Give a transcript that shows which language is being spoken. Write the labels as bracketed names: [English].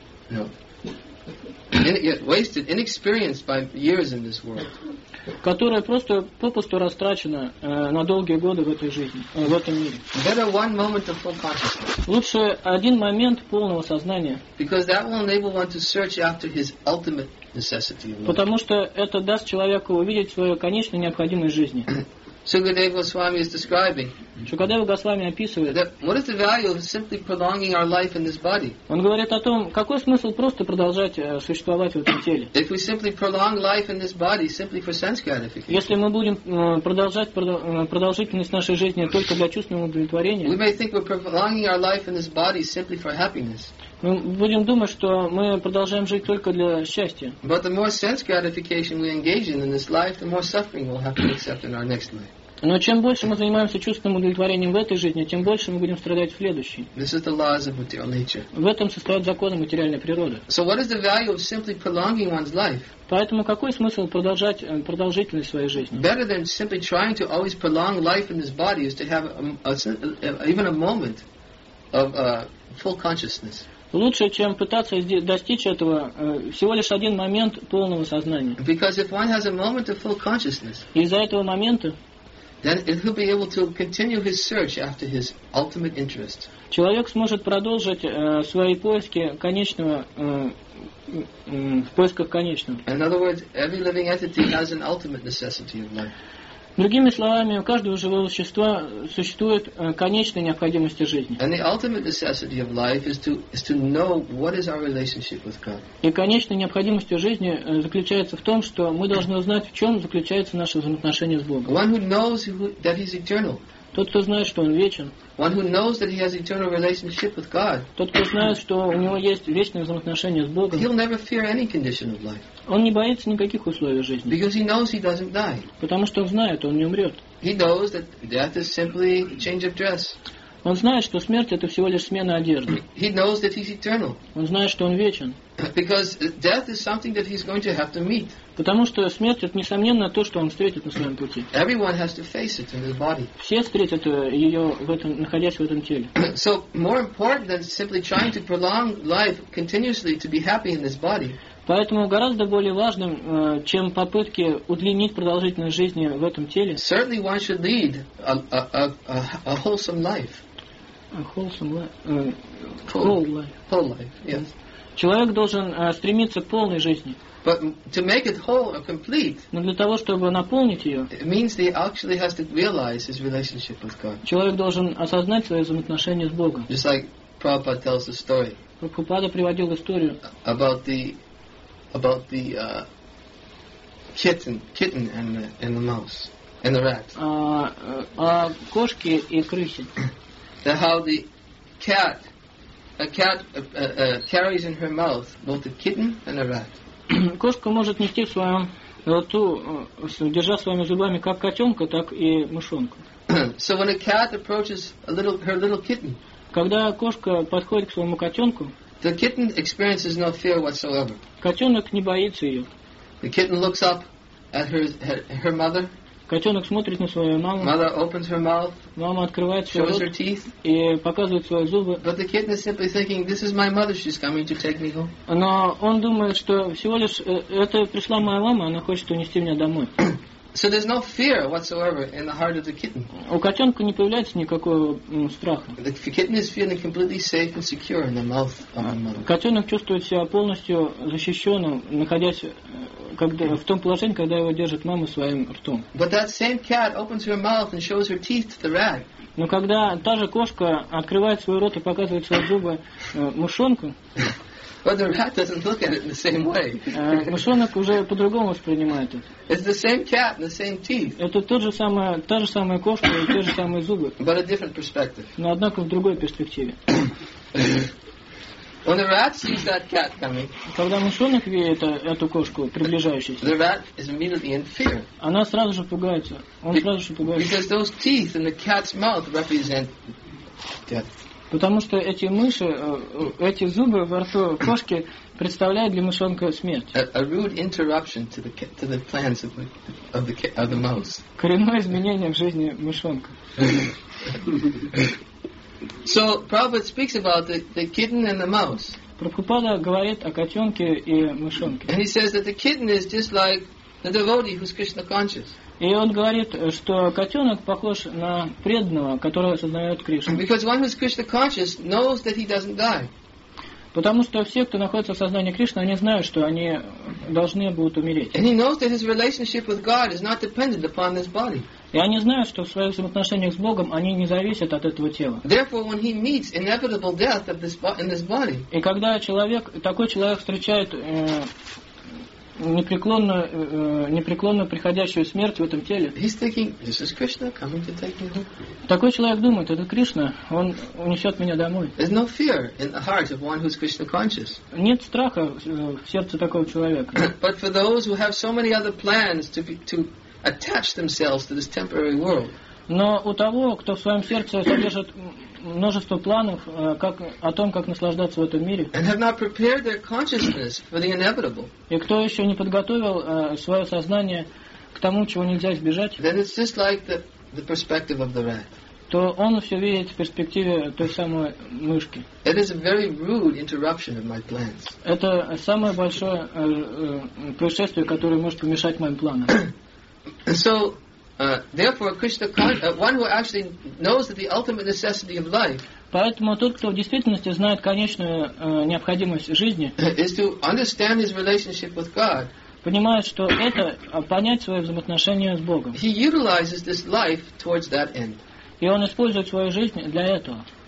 [English] No. Wasted, inexperienced by years in this world. [Russian] Которая просто попусту растрачена на долгие годы в этой жизни, в этом мире. [English] Better one moment of full consciousness. [Russian] Лучше один момент полного сознания. [English] Because that will enable one to search after his ultimate necessity. [Russian] Потому что это даст человеку увидеть свою конечную необходимость жизни. [English] Sukadeva Goswami is describing. [Russian] Шукадева Госвами описывает. [English] What is the value of simply prolonging our life in this body? [Russian] Он говорит о том, какой смысл просто продолжать существовать в этом теле. [English] If we simply prolong life in this body simply for sense gratification. [Russian] Если мы будем продолжать продолжительность нашей жизни только для чувственного удовлетворения. [English] We may think we're prolonging our life in this body simply for happiness. [Russian] Мы будем думать, что мы продолжаем жить только для счастья. [English] But the more sense gratification we engage in this life, the more suffering we'll have to accept in our next life. [Russian] Но чем больше мы занимаемся чувственным удовлетворением в этой жизни, тем больше мы будем страдать в следующей. [English] This is the laws of material nature. [Russian] В этом состоят законы материальной природы. [English] So what is the value of simply prolonging one's life? [Russian] Поэтому какой смысл продолжать продолжительность своей жизни? [English] Better than simply trying to always prolong life in this body is to have even a moment of full consciousness. [Russian] Лучше, чем пытаться достичь этого, всего лишь один момент полного сознания. [English] Because if one has a moment of full consciousness, [Russian] из-за этого момента, [English] then he'll be able to continue his search after his ultimate interest. [Russian] Человек сможет продолжить свои поиски конечного, в поисках конечного. [English] In other words, every living entity has an ultimate necessity of life. [Russian] Другими словами, у каждого живого существа существует конечная необходимость жизни. [English] And the ultimate necessity of life is to know what is our relationship with God. [Russian] И конечная необходимость жизни заключается в том, что мы должны узнать, в чем заключается наше взаимоотношение с Богом. [English] One who knows that he's eternal. [Russian] Тот, кто знает, что он вечен. [English] One who knows that he has eternal relationship with God. [Russian] Тот, кто знает, что у него есть вечное взаимоотношение с Богом. [English] He'll never fear any condition of life. [Russian] Он не боится никаких условий жизни. [English] Because he knows he doesn't die. [Russian] Потому что он знает, он не умрет. [English] He knows that death is simply a change of dress. [Russian] Он знает, что смерть это всего лишь смена одежды. [English] He knows that he's eternal. [Russian] Он знает, что он вечен. [English] Because death is something that he's going to have to meet. [Russian] Потому что смерть это несомненно то, что он встретит на своем пути. [English] Everyone has to face it in his body. [Russian] Все встретят ее в этом, находясь в этом теле. [English] So more important than simply trying to prolong life continuously to be happy in this body. [Russian] Поэтому гораздо более важным, чем попытки удлинить продолжительность жизни в этом теле. [English] Certainly one should lead a wholesome life. A wholesome life. Whole life. Whole life, yes. [Russian] Человек должен стремиться к полной жизни. [English] But to make it whole or complete. [Russian] Но для того, чтобы наполнить ее. [English] It means he actually has to realize his relationship with God. [Russian] Человек должен осознать свои взаимоотношения с Богом. [English] Just like Prabhupada tells the story. [Russian] Прабхупада приводил историю. [English] About the kitten and the mouse and the rat. [Russian] Кошки и крысы. [English] How the cat. A cat carries in her mouth both a kitten and a rat. [Russian] Кошка может нести в своем рту, держа своими зубами как котенка, так и мышонка. [English] So when a cat approaches her little kitten. [Russian] Когда кошка подходит к своему котенку. [English] The kitten experiences no fear whatsoever. [Russian] Котенок не боится ее. [English] The kitten looks up at her mother. [Russian] Котенок смотрит на свою маму. [English] Mother opens her mouth. [Russian] Мама открывает свой [English] shows her teeth. [Russian] И показывает свои зубы. [English] But the kitten is simply thinking, this is my mother, she's coming to take me home. [Russian] Но он думает, что всего лишь это пришла моя мама, она хочет унести меня домой. [English] So there's no fear whatsoever in the heart of the kitten. [Russian] У котенка не появляется никакого страха. [English] The kitten is feeling completely safe and secure in the mouth of my mother. [Russian] Котенок чувствует себя полностью защищенным, находясь в том положении, когда его держит мама своим ртом. [English] But that same cat opens her mouth and shows her teeth to the rat. [Russian] Но когда та же кошка открывает свой рот и показывает свои зубы мышонку. [English] But the rat doesn't look at it in the same way. [Russian] Мышонок уже по-другому воспринимает это. [English] It's the same cat, the same teeth. [Russian] Это тот же самое, та же самая кошка и те же самые зубы. [English] But a different perspective. [Russian] Но однако в другой перспективе. [English] When the rat sees that cat coming, [Russian] когда мышонок видит эту кошку приближающуюся, [English] the rat is immediately in fear. [Russian] Она сразу же пугается. Он сразу же пугается. [English] Because those teeth in the cat's mouth represent death. [Russian] Потому что эти мыши, эти зубы во рту кошки представляют для мышонка смерть. [English] A rude interruption to the plans of the mouse. [Russian] Коренное изменение в жизни мышонка. [English] So Prabhupada speaks about the kitten and the mouse. [Russian] Прабхупада говорит о котенке и мышонке. [English] And he says that the kitten is just like the devotee who's Krishna conscious. [Russian] И он говорит, что котенок похож на преданного, который осознает Кришну. [English] Because one who's Krishna conscious knows that he doesn't die. [Russian] Потому что все, кто находится в сознании Кришны, они знают, что они должны будут умереть. [English] And he knows that his relationship with God is not dependent upon this body. [Russian] И они знают, что в своих взаимоотношениях с Богом они не зависят от этого тела. [English] Therefore, when he meets inevitable death of this in this body. [Russian] И когда человек, такой человек встречает непреклонно приходящую смерть в этом теле. [English] He's thinking, this is Krishna coming to take me home. [Russian] Такой человек думает, это Кришна, он унесет меня домой. [English] There's no fear in the heart of one who's Krishna conscious. [Russian] Нет страха в сердце такого человека. [English] But for those who have so many other plans to attach themselves to this temporary world. [Russian] Но у того, кто в своем сердце содержит множество планов как, о том, как наслаждаться в этом мире. [English] And have not prepared their consciousness for the inevitable. [Russian] И кто еще не подготовил свое сознание к тому, чего нельзя избежать, [English] then it's just like the perspective of the rat. [Russian] То он все видит в перспективе той самой мышки. [English] It is a very rude interruption of my plans. [Russian] Это самое большое происшествие, которое может помешать моим планам. [English] Therefore, Krishna, one who actually knows that the ultimate necessity of life. [Russian] Поэтому тот, кто в действительности знает конечную необходимость жизни, [English] is to understand his relationship with God. [Russian] Понимает, что это понять свои взаимоотношения с Богом. [English] He utilizes this life towards that end. [Russian] И он использует свою жизнь для этого.